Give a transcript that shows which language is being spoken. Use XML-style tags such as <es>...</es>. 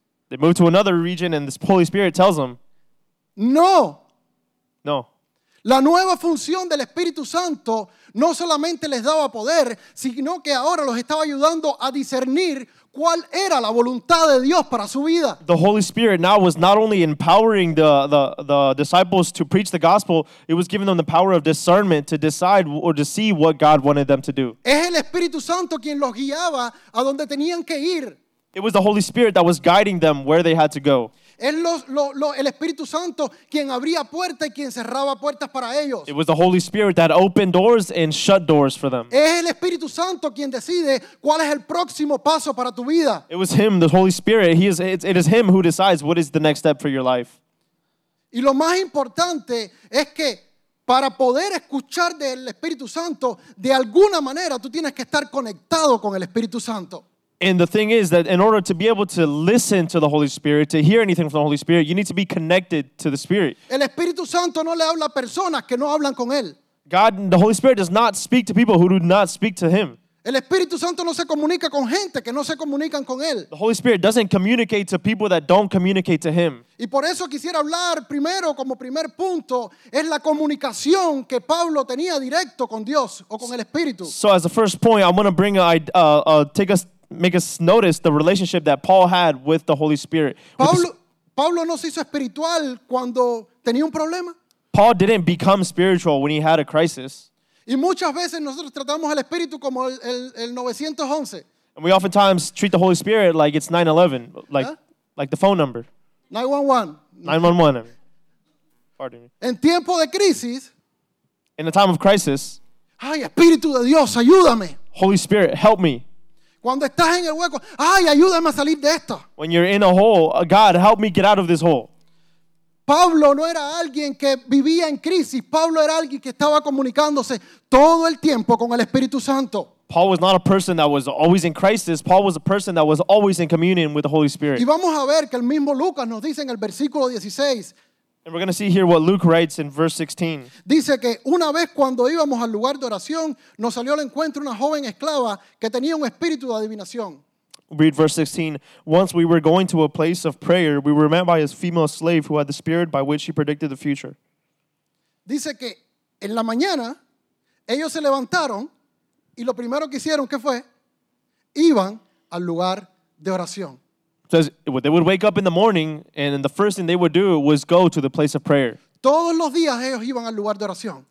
<en>They move to another region and this Holy Spirit tells them. No. No.</en> <es>La nueva función del Espíritu Santo no solamente les daba poder, sino que ahora los estaba ayudando a discernir cuál era la voluntad de Dios para su vida.</es> <en>The Holy Spirit now was not only empowering the disciples to preach the gospel, it was giving them the power of discernment to decide or to see what God wanted them to do.</en> <es>Es el Espíritu Santo quien los guiaba a donde tenían que ir.</es> <en>It was the Holy Spirit that was guiding them where they had to go.</en> <es>Es el Espíritu Santo quien abría puertas y quien cerraba puertas para ellos.</es> <en>It was the Holy Spirit that opened doors and shut doors for them.</en> <es>Es el Espíritu Santo quien decide cuál es el próximo paso para tu vida.</es> <en>It was him, the Holy Spirit. It is him who decides what is the next step for your life.</en> <es>Y lo más importante es que para poder escuchar del Espíritu Santo, de alguna manera tú tienes que estar conectado con el Espíritu Santo.</es> <en>And the thing is that in order to be able to listen to the Holy Spirit, to hear anything from the Holy Spirit, you need to be connected to the Spirit.</en> <es>El Espíritu Santo no le habla a personas que no hablan con él.</es> <en>God, the Holy Spirit does not speak to people who do not speak to him.</en> <es>El Espíritu Santo no se comunica con gente que no se comunican con él.</es> <en>The Holy Spirit doesn't communicate to people that don't communicate to him.</en> <es>Y por eso quisiera hablar primero, como primer punto, es la comunicación que Pablo tenía directo con Dios o con el Espíritu.</es> <en>So as the first point, I'm going to make us notice the relationship that Paul had with the Holy Spirit.</en> <es>Pablo, Pablo no se hizo espiritual cuando tenía un problema.</es> <en>Paul didn't become spiritual when he had a crisis.</en> <es>Y muchas veces nosotros tratamos al espíritu como el 911.</es> <en>And we oftentimes treat the Holy Spirit like it's 911, like the phone number. 911. 911. Pardon me.</en> <es>En tiempo de crisis.</es> <en>In a time of crisis.</en> <es>Ay, espíritu de Dios, ayúdame.</es> <en>Holy Spirit, help me.</en> <es>Cuando estás en el hueco, ay, ayúdame a salir de esto.</es> <en>When you're in a hole, God, help me get out of this hole.</en> <es>Pablo no era alguien que vivía en crisis. Pablo era alguien que estaba comunicándose todo el tiempo con el Espíritu Santo.</es> <en>Paul was not a person that was always in crisis. Paul was a person that was always in communion with the Holy Spirit.</en> <es>Y vamos a ver que el mismo Lucas nos dice en el versículo 16.</es> <en>And we're going to see here what Luke writes in verse 16.</en> <es>Dice que una vez cuando íbamos al lugar de oración, nos salió al encuentro una joven esclava que tenía un espíritu de adivinación.</es> <en>Read verse 16. Once we were going to a place of prayer, we were met by a female slave who had the spirit by which she predicted the future.</en> <es>Dice que en la mañana, ellos se levantaron y lo primero que hicieron, ¿qué fue? Iban al lugar de oración.</es> <en>Says they would wake up in the morning and the first thing they would do was go to the place of prayer.</en> <es>Todos los días ellos iban al lugar de oración.</es>